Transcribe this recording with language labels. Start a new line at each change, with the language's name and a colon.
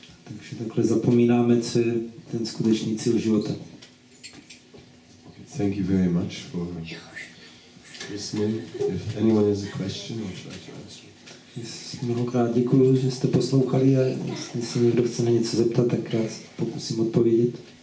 Czech: Takže takhle zapomínáme, co je ten skutečný cíl života.
English: Thank you very much for listening. If anyone has a question, I'll try to answer.
Czech: Mnohokrát děkuju, že jste poslouchali a jestli se někdo chce na něco zeptat, tak já pokusím odpovědět.